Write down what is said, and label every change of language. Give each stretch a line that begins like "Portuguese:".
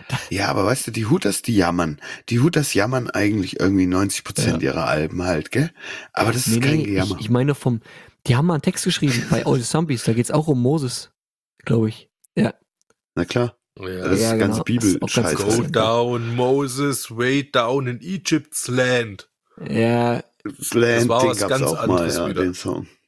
German: Ja, aber weißt du, die Hooters, die jammern. Die Hooters jammern eigentlich irgendwie 90% ihrer Alben halt, gell? Aber das ist kein Gejammer. Ich meine die haben mal einen Text geschrieben bei All the Zombies, da geht's auch um Moses, glaube ich. Ja. Na klar. Ja. Das ist genau. Ganze Bibel-Scheiße.
English: Go down, Moses, way down in Egypt's land.
German: Ja. Das Land, das war was ganz auch anderes mal, wieder. Den Song.